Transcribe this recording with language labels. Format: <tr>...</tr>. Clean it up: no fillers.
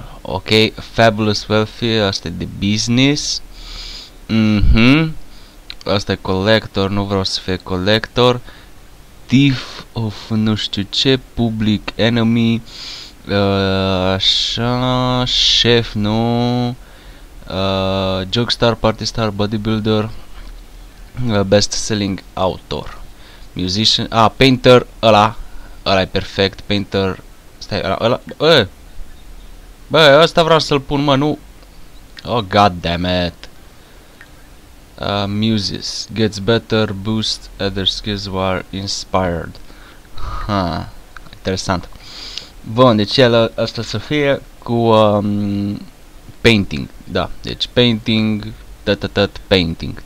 <ro>Ok,</ro> <en>fabulous wealthy,</en> <ro>asta e de business. Asta e collector, nu vreau să fie collector.</ro> <en>Thief of</en> <ro>nu știu ce,</ro> <en>public enemy.</en> <ro>Așa, chef, nu.</ro> <en>Jokestar, party star, bodybuilder. Best selling author. Musician, painter,</en> <ro>ăla. Ăla e perfect, painter. Stai, ăla, bă, ăsta vreau să-l pun, mă, nu.</ro> <en>Oh, god damn it. Muses. Gets better, boost other skills while inspired.</en> <ro>Ha, interesant. Bun, deci el ăsta să fie cu painting. Da, deci painting, tot painting.</ro>